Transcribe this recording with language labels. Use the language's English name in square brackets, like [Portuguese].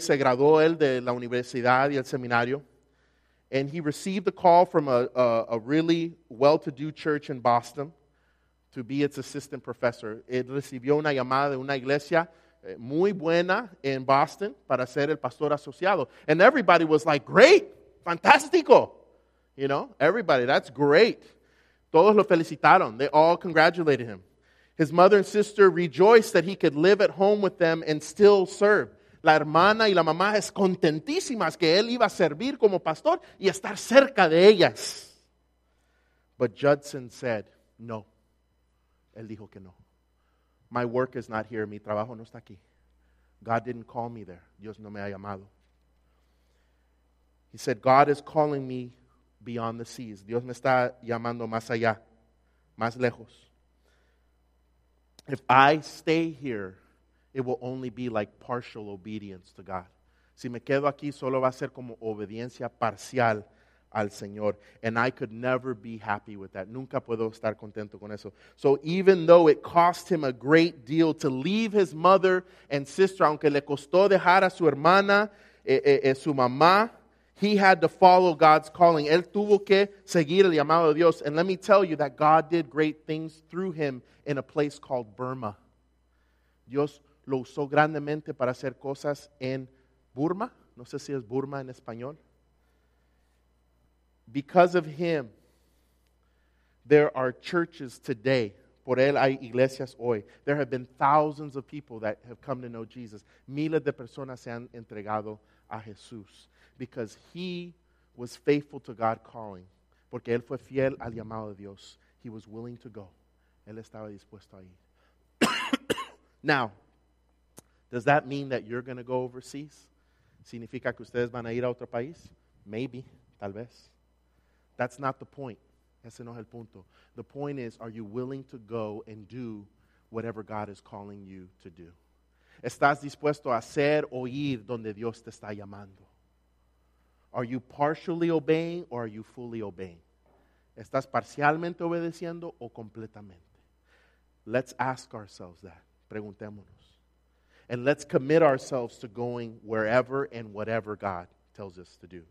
[Spanish] Se graduó él de la universidad y el seminario. [English] And he received a call from a really well-to-do church in Boston to be its assistant professor. [Spanish] Él recibió una llamada de una iglesia muy buena en Boston para ser el pastor asociado. [English] And everybody was like, great, fantástico. You know, everybody, that's great. [Spanish] Todos lo felicitaron. [English] They all congratulated him. His mother and sister rejoiced that he could live at home with them and still serve. [Spanish] la hermana y la mamá es contentísimas que él iba a servir como pastor y estar cerca de ellas. [English] But Judson said, no. [Spanish] Él dijo que no. [English] My work is not here. [Spanish] Mi trabajo no está aquí. [English] God didn't call me there. [Spanish] Dios no me ha llamado. [English] He said, God is calling me beyond the seas. [Spanish] Dios me está llamando más allá, más lejos. [English] If I stay here, it will only be like partial obedience to God. [Spanish] Si me quedo aquí, solo va a ser como obediencia parcial al Señor. [English] And I could never be happy with that. [Spanish] Nunca puedo estar contento con eso. [English] So even though it cost him a great deal to leave his mother and sister, [Spanish] aunque le costó dejar a su hermana, su mamá, [English] he had to follow God's calling. [Spanish] Él tuvo que seguir el llamado de Dios. [English] And let me tell you that God did great things through him in a place called Burma. [Spanish] Dios lo usó grandemente para hacer cosas en Burma. No sé si es Burma en español. [English] Because of him, there are churches today. [Spanish] Por él hay iglesias hoy. [English] There have been thousands of people that have come to know Jesus. [Spanish] Miles de personas se han entregado a Jesús. [English] Because he was faithful to God's calling. [Spanish] Porque él fue fiel al llamado de Dios. [English] He was willing to go. [Spanish] Él estaba dispuesto a ir. [English] Now, does that mean that you're going to go overseas? [Spanish] ¿Significa que ustedes van a ir a otro país? [English] Maybe, [Spanish] tal vez. [English] That's not the point. [Spanish] Ese no es el punto. [English] The point is, are you willing to go and do whatever God is calling you to do? [Spanish] ¿Estás dispuesto a hacer o ir donde Dios te está llamando? [English] Are you partially obeying or are you fully obeying? [Spanish] ¿Estás parcialmente obedeciendo o completamente? [English] Let's ask ourselves that. [Spanish] Preguntémonos. [English] And let's commit ourselves to going wherever and whatever God tells us to do.